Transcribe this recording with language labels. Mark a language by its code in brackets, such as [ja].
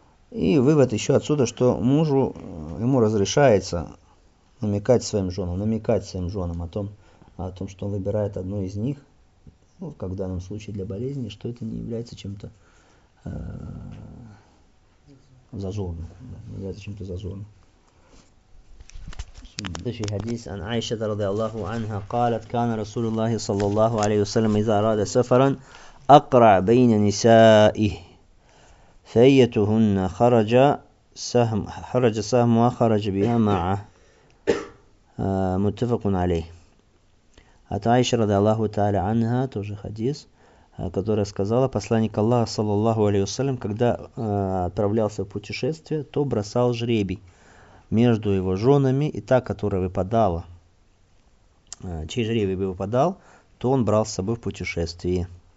[ru] И вывод еще отсюда, что мужу, ему разрешается намекать своим женам о том, что он выбирает одну из них, ну, как в данном случае для болезни, что это не является чем-то зазорным. Не является чем-то зазорным. Следующий хадис. [ar] «Ан Айша радиаллаху анха قالت كان رسول الله صلى الله عليه وسلم إذا أراد سفرا أقرع بين نسائه فيتهن خرج سهم وخرج بها معه متفق عليه». [ru] От Айши [ar] رضي الله تعالى عنها [ru] тоже хадис, который сказала, посланник Аллаха صلى الله عليه وسلم, когда отправлялся в путешествие, то бросал жребий между его женами, и та, которая выпадала, чей жребий бы выпадал, то он брал с собой в путешествие.